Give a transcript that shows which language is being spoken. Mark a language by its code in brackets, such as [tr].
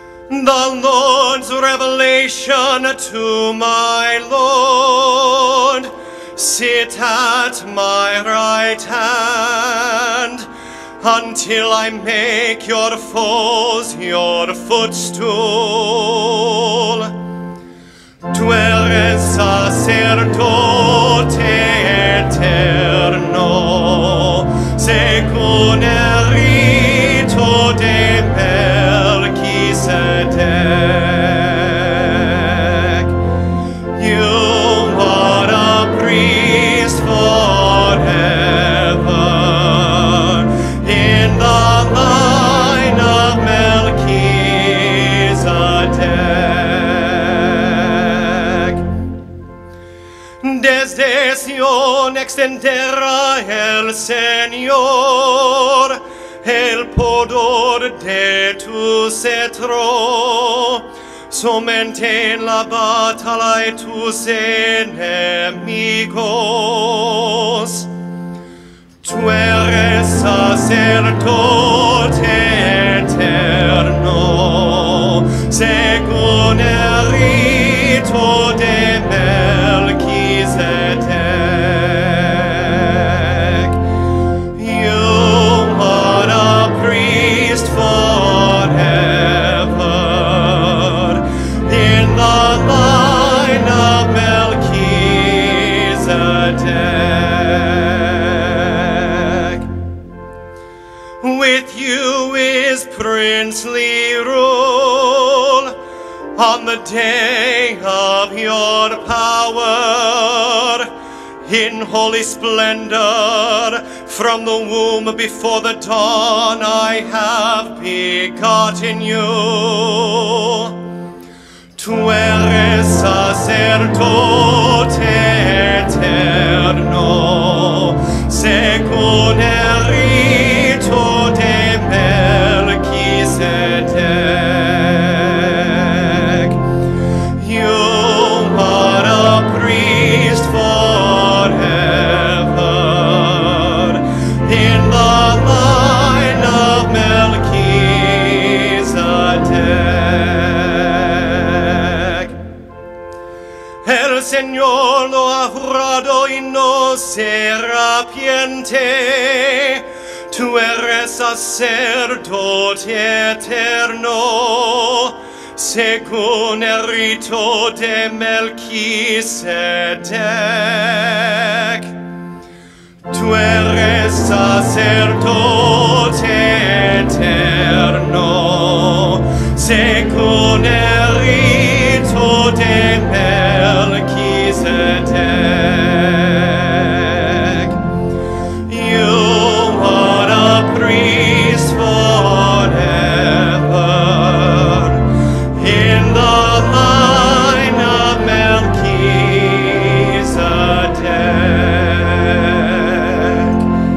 [en] The Lord's revelation to my Lord. Sit at my right hand until I make your foes your footstool. [es] Tu eres sacerdote eterno, según el rito de Melquisedec. [en] You are a priest forever in the line of Melquisedec. [es] Desde Sion extenderá el Señor el poder de tu cetro. Somente en la batalla y tus enemigos. Tu eres sacerdote eterno, según el rito de Melquisedec. [en] You are a priest forever in the line of Melchizedek. With you is princely rule on the day of your power. In holy splendor, from the womb before the dawn, I have begotten you. [es] Tu eres sacerdote eterno, según el rito de Melquisedec. [en] You are a priest forever in the line of Melquisedec. [es] El Señor lo ha jurado y no se arrepiente. Tu eres sacerdote eterno, según el rito de Melquisedec. Tu eres sacerdote eterno, según el rito de Melquisedec. [en] You are a priest forever in the line of Melchizedek.